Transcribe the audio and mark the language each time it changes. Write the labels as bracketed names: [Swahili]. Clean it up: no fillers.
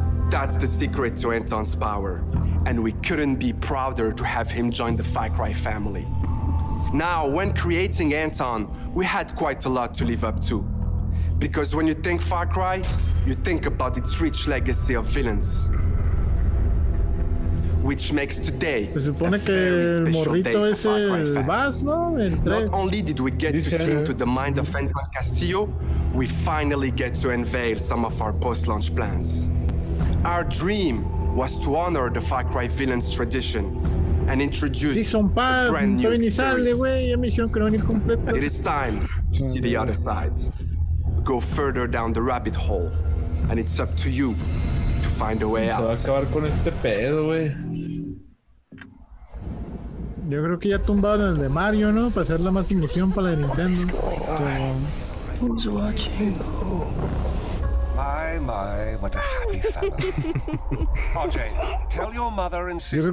[English] That's the secret to Anton's power, and we couldn't be prouder to have him join the Far Cry family. Now, when creating Anton, we had quite a lot to live up to. Because when you think Far Cry, you think about its rich legacy of villains. Which makes today [Spanish] se supone que el morrito ese vas, ¿no? [English] Not only did we get to see into the mind of Anton Castillo, we finally get to unveil some of our post-launch plans. Our dream was to honor the Far Cry villains tradition and introduce brand new experience. It is time to see the other side. Go further down the rabbit hole, and it's up to you to find a way out. [Spanish] Se va a acabar con este pedo, güey. Yo creo que ya tumbaron el de Mario, ¿no? Para hacer la más emoción para la Nintendo. [English] Who's watching? My, what a happy fella. RJ, tell your mother and sister.